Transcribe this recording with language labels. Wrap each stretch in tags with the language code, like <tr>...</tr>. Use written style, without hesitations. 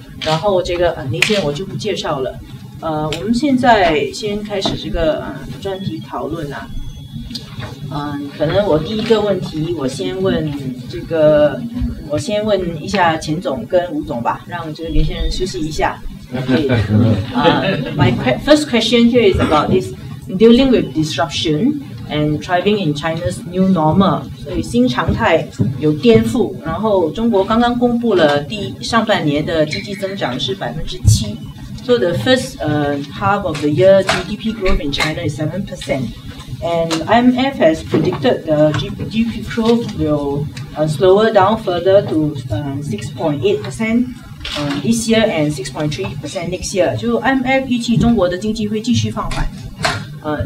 <zh>然后这个那些我就不介绍了。我们现在先开始这个专题讨论啊。可能我第一个问题我先问一下钱总跟吴总吧，让这个年轻人休息一下。</zh> <en>My first question here is about this dealing with disruption and thriving in China's new normal.</en> <zh>所以新常态有颠覆，然后中国刚刚公布了第上半年的经济增长是7%。</zh> <en>So the first half of the year GDP growth in China is 7%. And IMF has predicted the GDP growth will slower down further to 6.8%this year and 6.3% next year.</en> <zh>就 IMF 预期中国的经济会继续放缓。</zh>